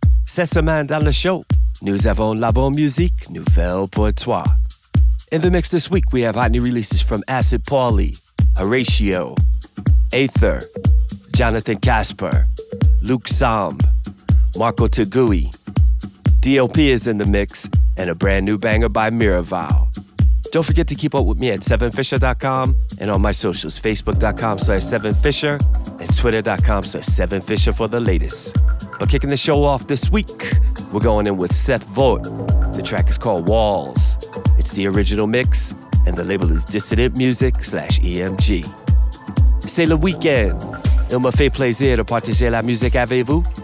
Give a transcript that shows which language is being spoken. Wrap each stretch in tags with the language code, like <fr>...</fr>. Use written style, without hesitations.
<fr>Cette semaine dans le show, nous avons la bonne musique nouvelle pour toi.</fr> <en>In the mix this week, we have hot new releases from Acid Pauly, Horatio, Aether, Jonathan Casper, Luke Somb, Marco Tagui, DLP is in the mix, and a brand new banger by Miraval. Don't forget to keep up with me at 7fisher.com and on my socials, facebook.com/7fisher and twitter.com/7fisher for the latest. But kicking the show off this week, we're going in with Seth Vogt. The track is called Walls. It's the original mix, and the label is Dissident Music /EMG.</en> <fr>C'est le weekend. Il me fait plaisir de partager la musique avec vous.</fr>